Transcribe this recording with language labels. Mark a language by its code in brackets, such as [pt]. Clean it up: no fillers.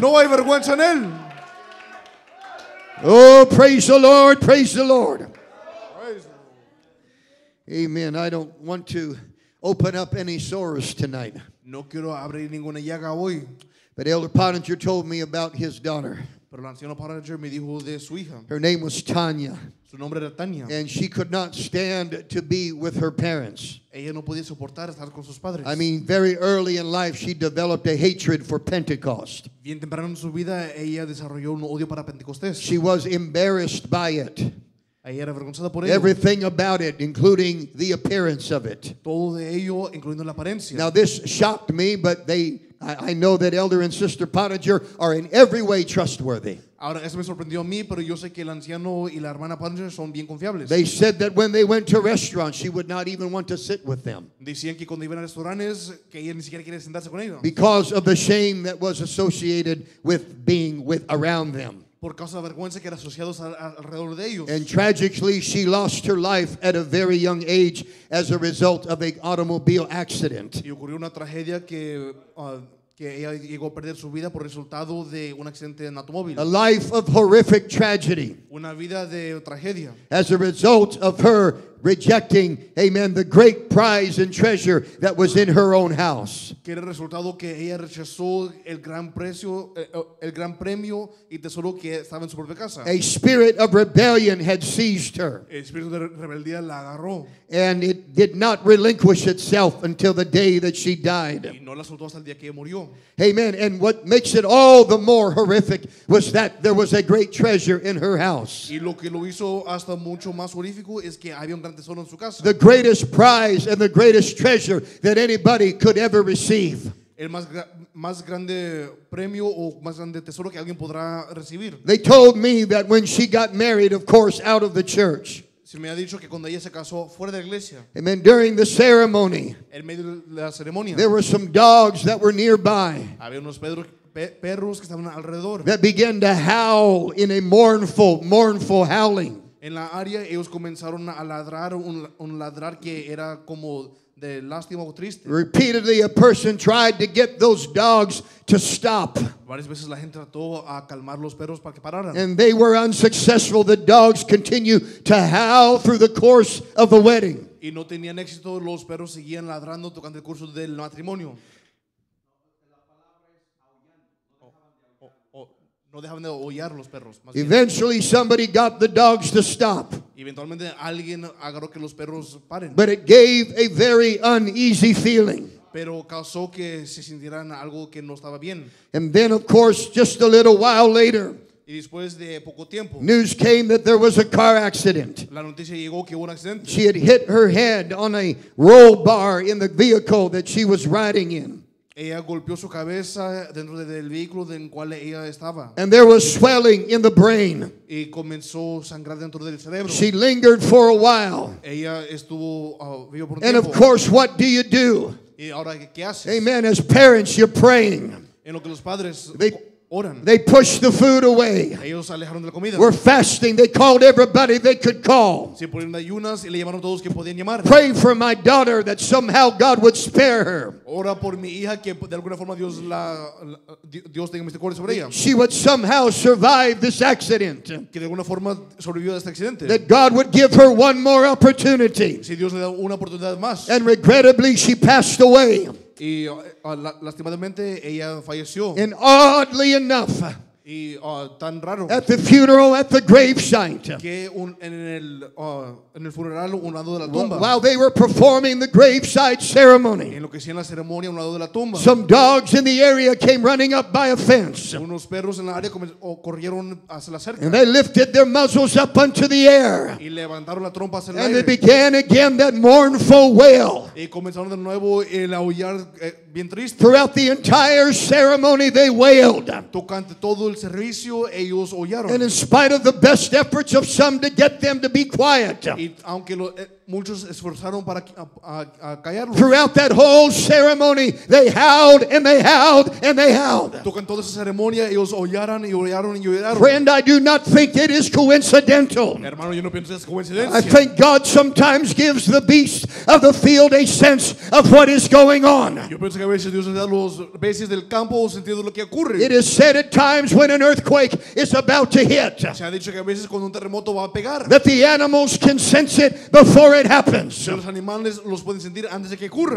[es] No hay vergüenza en él. [en] Oh, praise the Lord, praise the Lord. Amen. I don't want to open up any sores tonight. [es] No quiero abrir ninguna llaga hoy. [en] But Elder Pottinger told me about his daughter. [es] Pero el anciano Pottinger me dijo de su hija. [en] Her name was Tanya. [es] Su nombre era Tanya. [en] And she could not stand to be with her parents. [es] Ella no podía soportar estar con sus padres. [en] I mean, very early in life, she developed a hatred for Pentecost. [es] Bien temprano en su vida, ella desarrolló un odio para Pentecostés. [en] She was embarrassed by it. Everything about it, including the appearance of it. [es] Todo de ello, incluyendo la apariencia. [en] Now this shocked me, but I know that Elder and Sister Pottinger are in every way trustworthy. [es] Ahora, eso me sorprendió a mí, pero yo sé que el anciano y la hermana Pottinger son bien confiables. [en] They said that when they went to restaurants, she would not even want to sit with them. [es] Decían que cuando iban a restaurantes, que ella ni siquiera quería sentarse con ellos. [en] Because of the shame that was associated with being with around them. [es] Por causa de la vergüenza que era asociado alrededor de ellos. [en] And tragically, she lost her life at a very young age as a result of an automobile accident. [es] Y ocurrió una tragedia que ella llegó a perder su vida por resultado de un accidente en automóvil. [en] A life of horrific tragedy. [es] Una vida de tragedia. [en] As a result of her rejecting, amen, the great prize and treasure that was in her own house. [es] Que era el resultado que ella rechazó el gran precio, el gran premio y tesoro que estaba en su propia casa. [en] A spirit of rebellion had seized her. [es] El espíritu de rebeldía la agarró. [en] And it did not relinquish itself until the day that she died. [es] Y no la soltó hasta el día que ella murió. [en] Amen. And what makes it all the more horrific was that there was a great treasure in her house. [es] Y lo que lo hizo hasta mucho más horrífico es que había. [en] The greatest prize and the greatest treasure that anybody could ever receive. [es] El más grande premio o más grande tesoro que alguien podrá recibir. [en] They told me that when she got married, of course, out of the church. [es] Se me ha dicho que cuando ella se casó fuera de la iglesia. [en] Amen. During the ceremony. [es] En medio de la ceremonia. [en] There were some dogs that were nearby. [es] Había unos perros que estaban alrededor. [en] That began to howl in a mournful, mournful howling. [es] En la área ellos comenzaron a ladrar un ladrar que era como de lástima o triste. [en] Repeatedly a person tried to get those dogs to stop. [es] Varias veces la gente trató a calmar los perros para que pararan. [en] And they were unsuccessful. The dogs continued to howl through the course of the wedding. [es] Y no tenían éxito, los perros seguían ladrando durante el curso del matrimonio. No dejaban de aullar los perros. [en] Eventually somebody got the dogs to stop. [es] Eventualmente alguien agarró que los perros paren. [en] But it gave a very uneasy feeling. [es] Pero causó que se sintieran algo que no estaba bien. [en] And then of course just a little while later. [es] Y después de poco tiempo, [en] news came that there was a car accident. [es] La noticia llegó que hubo un accidente. [en] She had hit her head on a roll bar in the vehicle that she was riding in. [es] Ella golpeó su cabeza dentro del vehículo en cual ella estaba. [en] And there was swelling in the brain. [es] Y comenzó a sangrar dentro del cerebro. [en] She lingered for a while. [es] Ella estuvo vivo por un [en] tiempo. And of course, what do you do? [es] Y ahora, ¿qué haces? [en] Amen. As parents, you're praying. [es] En lo que los padres [en] They pushed the food away. [es] Ellos alejaron de la comida. [en] Were fasting. They called everybody they could call. [es] Se ponían ayunas y le llamaron todos que podían llamar. [en] Pray for my daughter that somehow God would spare her. [es] Ora por mi hija que de alguna forma Dios la Dios tenga misericordia sobre ella. [en] She would somehow survive this accident. [es] Que de alguna forma sobrevivió a este accidente. [en] That God would give her one more opportunity. [es] Si Dios le da una oportunidad más. [en] And regrettably, she passed away. [es] Y lastimadamente ella falleció. [en] And oddly enough, [es] y tan raro, [en] at the funeral, at the gravesite, [es] que en el funeral un lado de la tumba, [en] while they were performing the graveside ceremony, [es] en lo que hacían la ceremonia un lado de la tumba, [en] some dogs in the area came running up by a fence. [es] Unos perros en la área corrieron hacia la cerca. [en] And they lifted their muzzles up into the air. [es] Y levantaron la trompa hacia el aire. [en] And they began again that mournful wail. [es] Y comenzaron de nuevo el aullar. [en] Throughout the entire ceremony, they wailed. [es] Tocante todo el servicio, ellos oyeron. [en] And in spite of the best efforts of some to get them to be quiet, [es] y aunque muchos esforzaron para callarlos, [en] throughout that whole ceremony, they howled and they howled and they howled. [es] Tocante toda esa ceremonia, ellos oyeron y oyeron y oyeron. [en] Friend, I do not think it is coincidental. [es] Hermano, yo no pienso es coincidencia. [en] I think God sometimes gives the beast of the field a sense of what is going on. It is said at times when an earthquake is about to hit, [es] se ha dicho que a veces cuando un terremoto va a pegar, that the animals can sense it before it happens, que los animales los pueden sentir antes de que ocurra,